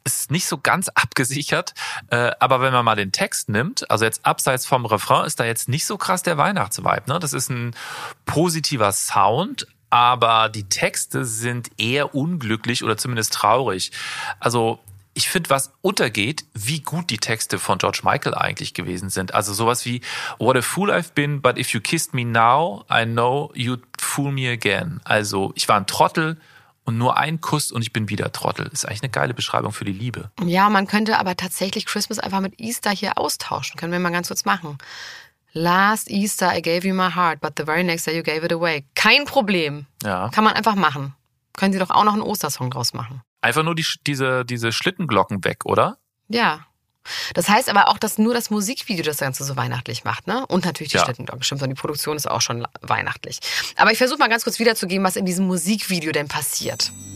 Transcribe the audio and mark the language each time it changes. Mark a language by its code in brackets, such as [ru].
[de] Ist nicht so ganz abgesichert, aber wenn man mal den Text nimmt, also jetzt abseits vom Refrain, ist da jetzt nicht so krass der Weihnachtsvibe. Ne? Das ist ein positiver Sound, aber die Texte sind eher unglücklich oder zumindest traurig. Also ich finde, was untergeht, wie gut die Texte von George Michael eigentlich gewesen sind. Also sowas wie, [en] what a fool I've been, but if you kissed me now, I know you'd fool me again. [de] Also ich war ein Trottel und nur ein Kuss und ich bin wieder Trottel. Ist eigentlich eine geile Beschreibung für die Liebe. Ja, man könnte aber tatsächlich Christmas einfach mit Easter hier austauschen. Können wir mal ganz kurz machen. [en] Last Easter I gave you my heart, but the very next day you gave it away. [de] Kein Problem. Ja. Kann man einfach machen. Können Sie doch auch noch einen Ostersong draus machen. einfach nur diese Schlittenglocken weg, oder? Ja. Das heißt aber auch, dass nur das Musikvideo das Ganze so weihnachtlich macht, ne? Und natürlich die Schlittenglocken, stimmt, sondern die Produktion ist auch schon weihnachtlich. Aber ich versuche mal ganz kurz wiederzugeben, was in diesem Musikvideo denn passiert.